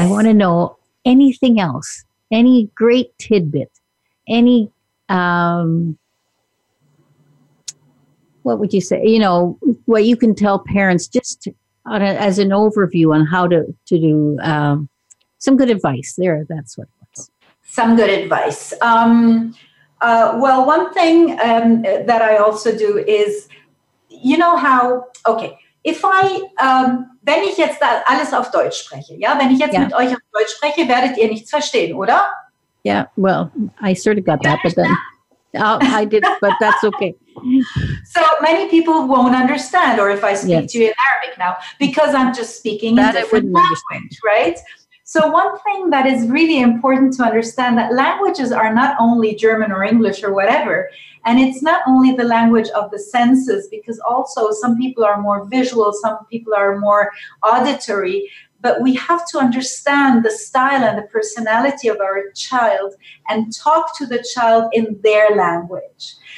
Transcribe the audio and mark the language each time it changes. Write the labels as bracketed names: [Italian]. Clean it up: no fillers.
[English] I want to know anything else, any great tidbit, any, what would you say, you know, what you can tell parents just on a, as an overview on how to do some good advice. There, that's what it was. Some good advice. Well, one thing that I also do is, you know how, okay, if I, [German] wenn ich jetzt alles auf Deutsch spreche, ja, wenn ich jetzt mit euch auf Deutsch spreche, werdet ihr nichts verstehen, oder? [English] Yeah, well, I sort of got that, but then I did, but that's okay. So many people won't understand, or if I speak to you in Arabic now, because I'm just speaking that in different language, right? So one thing that is really important to understand that languages are not only German or English or whatever, and it's not only the language of the senses, because also some people are more visual, some people are more auditory, but we have to understand the style and the personality of our child and talk to the child in their language.